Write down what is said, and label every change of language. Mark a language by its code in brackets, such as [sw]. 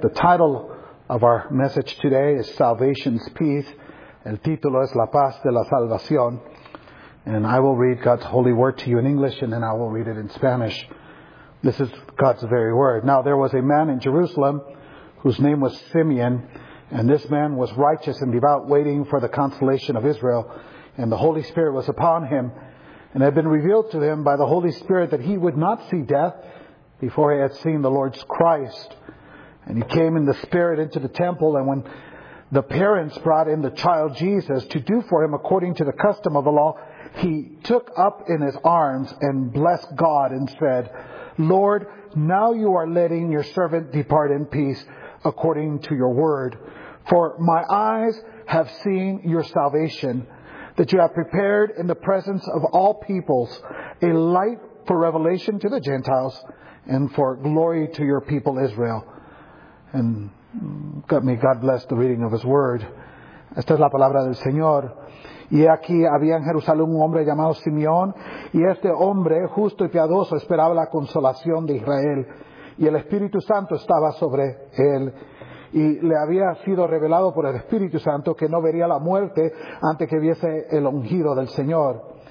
[en] The title of our message today is Salvation's Peace. [es] El título es La Paz de la Salvación. [en] And I will read God's holy word to you in English, and then I will read it in Spanish. This is God's very word. Now there was a man in Jerusalem whose name was Simeon, and this man was righteous and devout, waiting for the consolation of Israel, and the Holy Spirit was upon him. And it had been revealed to him by the Holy Spirit that he would not see death before he had seen the Lord's Christ. And he came in the Spirit into the temple, and when the parents brought in the child Jesus to do for him according to the custom of the law, he took up in his arms and blessed God and said, Lord, now you are letting your servant depart in peace according to your word. For my eyes have seen your salvation, that you have prepared in the presence of all peoples a light for revelation to the Gentiles and for glory to your people Israel. And may God bless the reading of his word. [es] Esta es la palabra del Señor. Y aquí había en Jerusalén un hombre llamado Simeón, y este hombre justo y piadoso esperaba la consolación de Israel, y el Espíritu Santo estaba sobre él. Y le había sido revelado por el Espíritu Santo que no vería la muerte antes que viese el ungido del Señor.